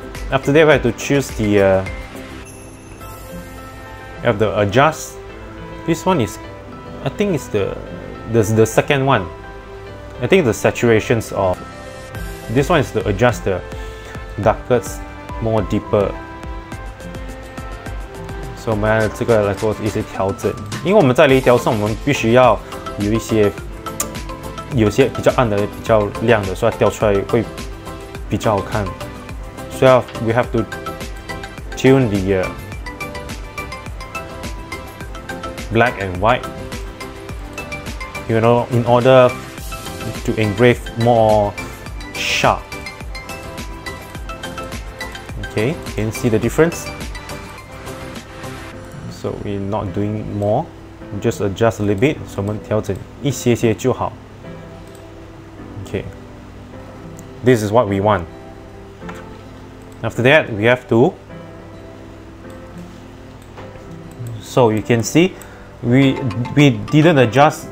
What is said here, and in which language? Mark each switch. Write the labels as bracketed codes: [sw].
[en] After that, we have to choose the, we have to adjust. This one is, I think it's the second one. I think the saturations of, this one is to adjust the darker, more deeper. [zh] So, 我们来这个来做一些调整。因为我们在雷雕上，我们必须要有一些，有些比较暗的，比较亮的，所以雕出来会比较好看。 [en] So we have to tune the black and white, you know, in order to engrave more sharp. Okay, can you see the difference? So we're not doing more, just adjust a little bit. [zh] So 我们调整一些些就好。 [en] Okay, this is what we want. After that, we have to. So you can see, we didn't adjust.